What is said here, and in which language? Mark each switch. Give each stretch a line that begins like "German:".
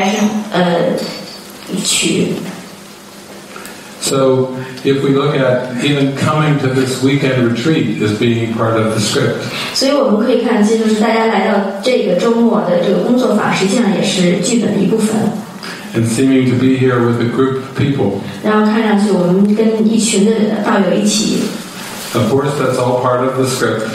Chinese: 甚至更简单的是，昨天我们其实谈到这一点，就是说是给还是取。
English: So if we look at even coming to this weekend retreat as being part of the script.
Chinese: 所以我们可以看，其实大家来到这个周末的这个工作坊，实际上也是剧本的一部分。
English: And seeming to be here with a group of people.
Chinese: 然后看上去我们跟一群的道友一起。
English: Of course, that's all part of the script.